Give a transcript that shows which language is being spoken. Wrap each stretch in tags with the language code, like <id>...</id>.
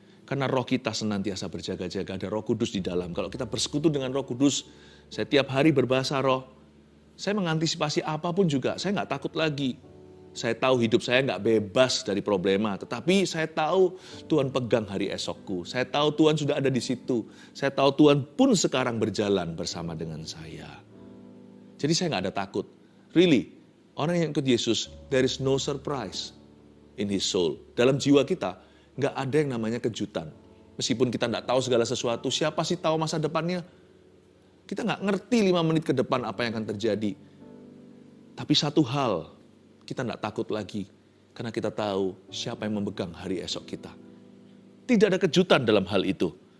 <id>Karena roh kita senantiasa berjaga-jaga, ada Roh Kudus di dalam. Kalau kita bersekutu dengan Roh Kudus, saya tiap hari berbahasa roh, saya mengantisipasi apapun juga, saya gak takut lagi. Saya tahu hidup saya gak bebas dari problema, tetapi saya tahu Tuhan pegang hari esokku. Saya tahu Tuhan sudah ada di situ. Saya tahu Tuhan pun sekarang berjalan bersama dengan saya. Jadi saya gak ada takut. Really. Orang yang ikut Yesus,</id> <en>there is no surprise in his soul.</en> <id>Dalam jiwa kita, gak ada yang namanya kejutan. Meskipun kita gak tahu segala sesuatu, siapa sih tahu masa depannya? Kita gak ngerti 5 menit ke depan apa yang akan terjadi. Tapi satu hal, kita gak takut lagi. Karena kita tahu siapa yang memegang hari esok kita. Tidak ada kejutan dalam hal itu.</id>